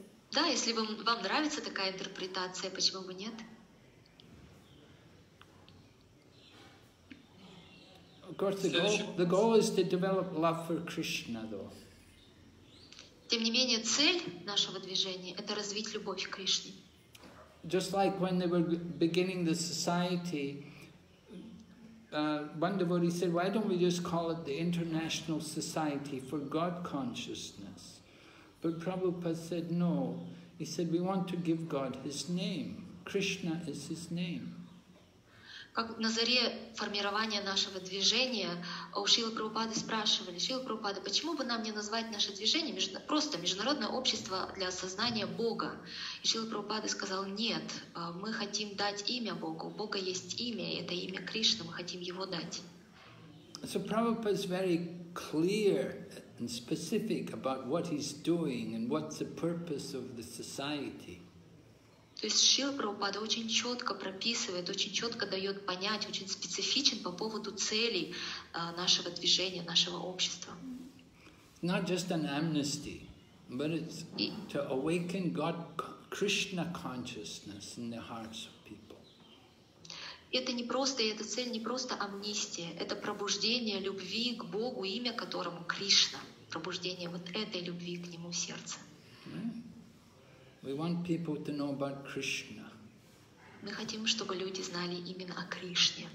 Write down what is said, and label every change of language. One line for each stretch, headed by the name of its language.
Russian: Да, если вам нравится такая интерпретация, почему бы нет?
English: Of course, the goal is to develop love for Krishna, though.
Russian: Тем не менее, цель нашего движения — это развить любовь к Кришне.
English: Just like when they were beginning the society, one devotee said, why don't we just call it the International Society for God Consciousness? But Prabhupada said, no. He said, we want to give God His name. Krishna is His name.
Russian: Как на заре формирования нашего движения у Шрилы Прабхупады спрашивали, Шрила Прабхупада, почему бы нам не назвать наше движение просто Международное общество для осознания Бога? И Шрила Прабхупада сказал, нет, мы хотим дать имя Богу. У Бога есть имя, и это имя Кришна, мы хотим его дать.
English: So Prabhupada is very clear and specific about what he's doing and what's the purpose of the society.
Russian: То есть Шрила Прабхупада очень четко прописывает, очень четко дает понять, очень специфичен по поводу целей нашего движения, нашего общества.
English: Not just an amnesty, but it's to awaken God, Krishna consciousness in the hearts of people.
Russian: Это не просто, эта цель не просто амнистия, это пробуждение любви к Богу, имя которому Кришна, пробуждение вот этой любви к Нему сердца.
English: We want people to know about Krishna.
Russian: Мы хотим, чтобы люди знали именно о Кришне.